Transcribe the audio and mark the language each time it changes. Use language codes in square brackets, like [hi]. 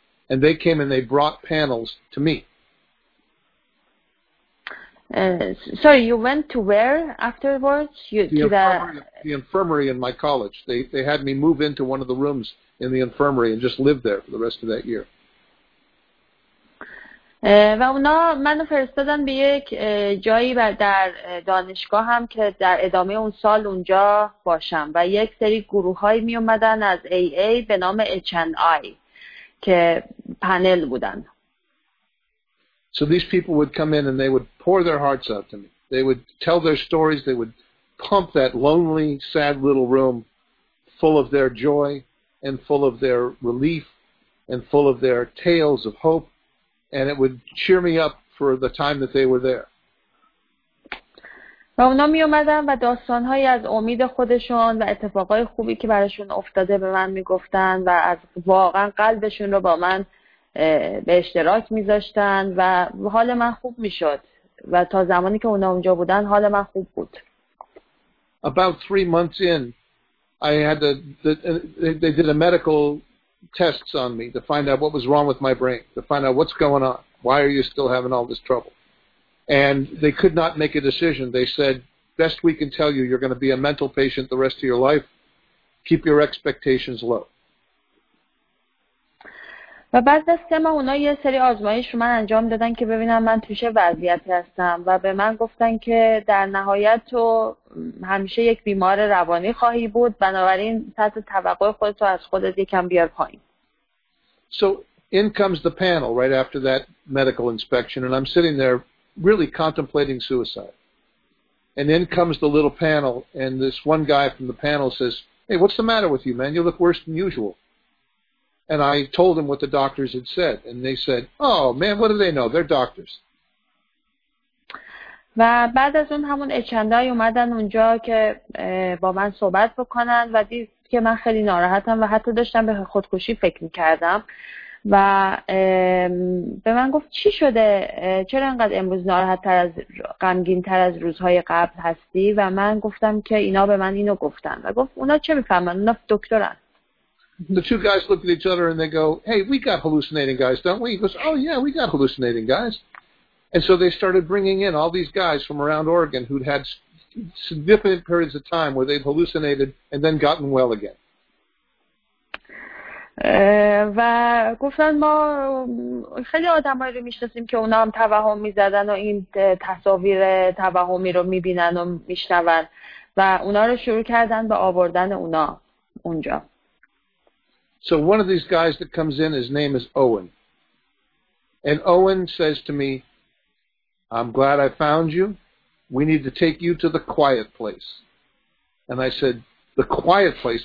[en] And they came and they brought panels to me. Sorry, you went to where afterwards? The infirmary in my college. They had me move into one of the rooms in the infirmary and just live there for the rest of that year. [fa] و اونا منو فرستادن به یک جایی در دانشگاه هم که در ادامه اون سال اونجا باشم، و یک سری گروه های می اومدن از AA به نام H&I که پنل بودن. [en] So these people would come in and they would pour their hearts out to me. They would tell their stories. They would pump that lonely, sad little room full of their joy and full of their relief and full of their tales of hope. And it would cheer me up for the time that they were there. [fa] و اونا می اومدن و داستان‌هایی از امید خودشون و اتفاقای خوبی که براشون افتاده به من میگفتن و از واقعا قلبشون رو با من به اشتراک میذاشتن و حال من خوب میشد و تا زمانی که اونا اونجا بودن حال من خوب بود. [en] About 3 months in, I had they did a medical tests on me to find out what was wrong with my brain, to find out what's going on, why are you still having all this trouble. And they could not make a decision. They said, best we can tell you, you're going to be a mental patient the rest of your life. Keep your expectations low. [fa] و بعد از 3 ماه اونا یه سری آزمایش رو من انجام دادن که ببینم من توی چه وضعیتی هستم، و به من گفتن که در نهایت تو همیشه یک بیمار روانی خواهی بود، بنابراین سطح توقع خودت رو از خودت یکم بیار پایین. [en] So in comes the panel right after that medical inspection, and I'm sitting there really contemplating suicide. And in comes the little panel, and this one guy from the panel says, hey, what's the matter with you, man? You look worse than usual. And I told him what the doctors had said, and they said, oh man, what do they know? They're doctors. [fa] و بعد از اون همون اچندای اومدن اونجا که با من صحبت بکنن و دید که من خیلی ناراحتم و حتی داشتم به خودکشی فکر می‌کردم و به من گفت چی شده؟ چرا انقدر امروز ناراحت‌تر از غمگین‌تر از روزهای قبل هستی؟ و من گفتم که اینا به من اینو گفتن و گفت اونا چه می‌فهمن؟ اونا دکترن. [en] The two guys look at each other and they go, hey, we got hallucinating guys, don't we? He goes, oh, yeah, we got hallucinating guys. And so they started bringing in all these guys from around Oregon who'd had significant periods of time where they'd hallucinated and then gotten well again. [fa] و گفتن ما خیلی آدمایی رو میشناسیم که اونا هم توهم میزدن و این تصاویر توهمی رو میبینن و میشنون و اونا رو شروع کردن به آوردن اونا اونجا. [en] So one of these guys that comes in, his name is Owen. And Owen says to me, I'm glad I found you. We need to take you to the quiet place. And I said, the quiet place?